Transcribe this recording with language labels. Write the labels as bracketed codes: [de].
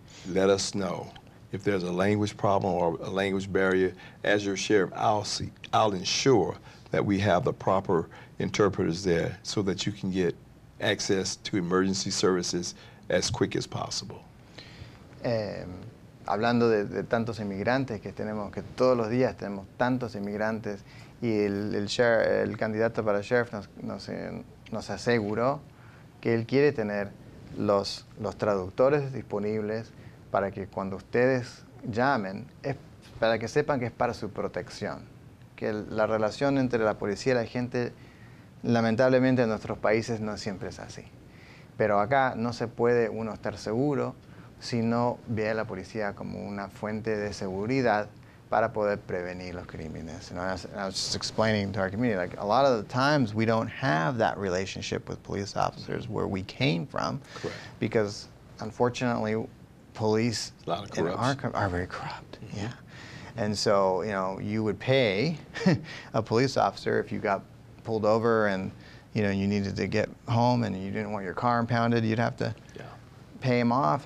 [en] Let us know if there's a language problem or a language barrier. As your sheriff, I'll ensure that we have the proper interpreters there so that you can get access to emergency services as quick as possible. [es] Hablando de tantos inmigrantes que tenemos, que todos los días tenemos tantos inmigrantes, y el candidato para sheriff nos aseguró que él quiere tener los traductores disponibles para que cuando ustedes llamen, es para que sepan que es para su protección. Que la relación entre la policía y la gente, lamentablemente en nuestros países no siempre es así. Pero acá no se puede uno estar seguro si no ve a la policía como una fuente de seguridad para poder prevenir los crímenes. [en] And I was just explaining to our community, like a lot of the times we don't have that relationship with police officers where we came from. Correct. Because unfortunately, police are very corrupt. Mm-hmm. Yeah. And so, you know, you would pay a police officer if you got pulled over and, you know, you needed to get home and you didn't want your car impounded, you'd have to pay him off.